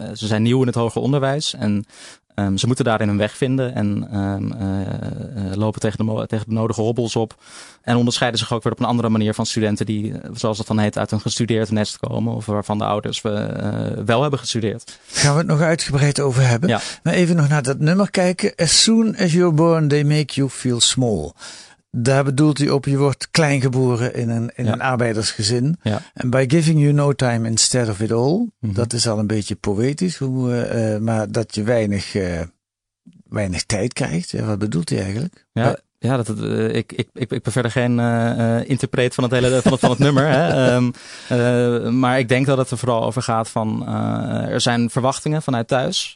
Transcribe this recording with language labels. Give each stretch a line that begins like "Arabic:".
Dutch: Ze zijn nieuw in het hoger onderwijs en ze moeten daarin hun weg vinden en lopen tegen de nodige hobbels op. En onderscheiden zich ook weer op een andere manier van studenten die, zoals dat dan heet, uit een gestudeerd nest komen. Of waarvan de ouders wel hebben gestudeerd. Gaan we het nog uitgebreid over hebben. Ja. Maar even nog naar dat nummer kijken.
English: As soon as you're born, they make you feel small.
Dutch: Daar bedoelt hij op, je wordt kleingeboren in een arbeidersgezin. Ja.
English: And by giving you no time instead of it all. Mm-hmm.
Dutch: Dat is al een beetje poëtisch. Maar dat je weinig tijd krijgt. Ja, wat bedoelt hij eigenlijk? Ja. Ja, ik ben verder geen interpreet van het nummer. Hè. Maar ik denk dat het er vooral over gaat van er zijn verwachtingen vanuit thuis.